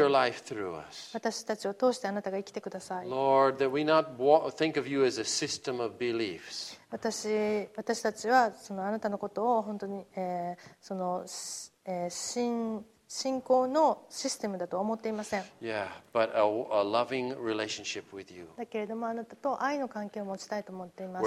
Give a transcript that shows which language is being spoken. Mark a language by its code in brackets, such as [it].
[ja] 私たちを通してあなたが生きてください。 [en] Lord, that we not think of you as a system of beliefs. [ja] 私たちはそのあなたのことを本当に、その、信信仰のシステムだとは思っていません。 [en] Yeah, but a loving relationship with you. [ja] だけれどもあなたと愛の関係を持ちたいと思っています。